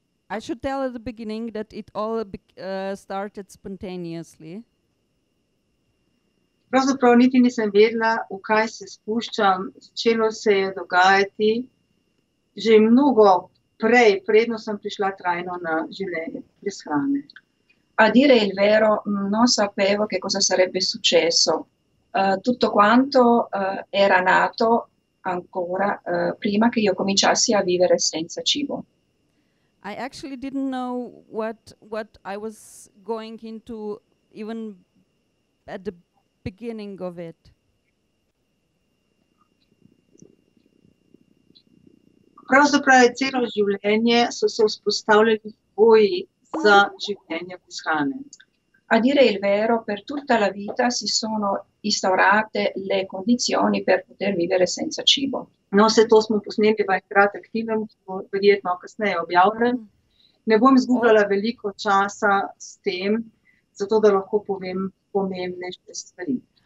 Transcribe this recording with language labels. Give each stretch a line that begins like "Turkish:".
English: I should tell at the beginning that it all started spontaneously.
Slovenian: Pravzaprav niti nisem vedela, v kaj se spuščam. Začelo se je dogajati že mnogo prej, predno sem prišla trajno na življenje brez hrane.
Italian: A dire il vero, non sapevo che cosa sarebbe successo. Tutto quanto era nato ancora prima che io cominciassi a vivere senza cibo.
English: I actually didn't know what I was going into even at the beginning of it.
Slovenian: Pravzaprav je celo življenje so se vzpostavljali pogoji za življenje brez hrane.
Italian: A dire il vero, per tutta la vita si sono instaurate le condizioni per poter vivere senza cibo.
Slovenian: No, vse to smo posneli v kratkem filmu, ki bo verjetno kasneje objavljen. Ne bom izgubljala veliko časa s tem, zato da lahko povem pomembnejše stvari.